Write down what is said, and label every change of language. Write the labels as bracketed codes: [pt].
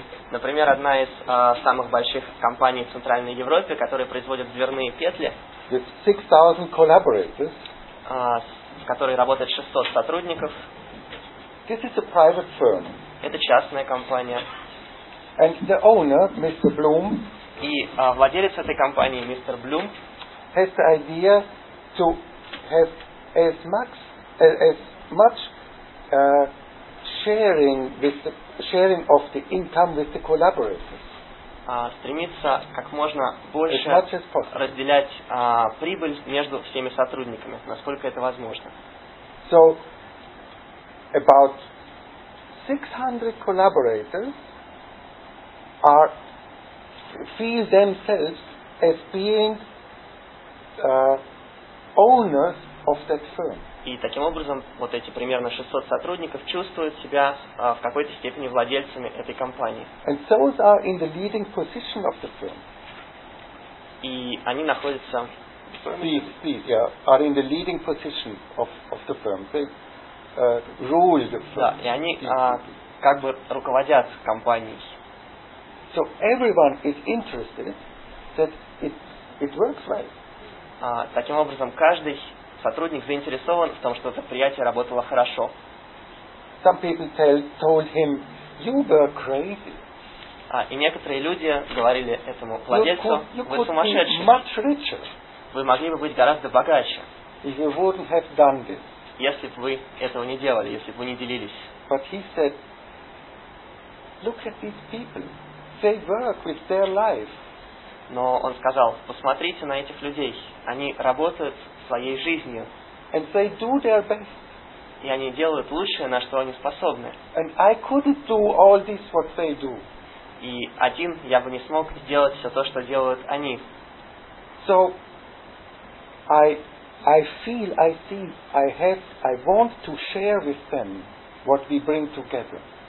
[ru] Например, одна из самых больших компаний в Центральной Европе, которая производит дверные петли. [en] With 6,000 collaborators. [ru] В которой работает 600 сотрудников. [en] This is a private firm. [ru] Это частная компания. [en] And the owner, Mr. Bloom. [ru] И владелец этой компании, мистер Блум. [en] Has the idea to have as much sharing of the income with the collaborators. [ru] Стремится как можно больше разделять прибыль между всеми сотрудниками, насколько это возможно. [en] So about 600 collaborators feel themselves as being owners of that firm. [ru] И таким образом, вот эти примерно 600 сотрудников чувствуют себя в какой-то степени владельцами этой компании. [en] And those are in the leading position of the firm. [ru] И они находятся [en] are in the leading position of the firm. They rule the firm. [ru] Да, и они как бы руководят компанией. [en] So everyone is interested that it works right. [ru] Таким образом, каждый сотрудник заинтересован в том, что предприятие работало хорошо. [en] Some people told him, you were crazy. [ru] И некоторые люди говорили этому владельцу, вы сумасшедший. [en] Much richer, [ru] вы могли бы быть гораздо богаче, [en] if you wouldn't have done this. [ru] Если бы вы этого не делали, если бы вы не делились. [en] But he said, look at these people. They work with their life. [ru] Но он сказал, посмотрите на этих людей. Они работают своей жизнью. [en] And they do their best. [ru] И они делают лучшее, на что они способны. [en] And I couldn't do all this, what they do. [ru] И один я бы не смог сделать все то, что делают они. [en] So, I feel, I see, I have, I want to share with them what we bring together.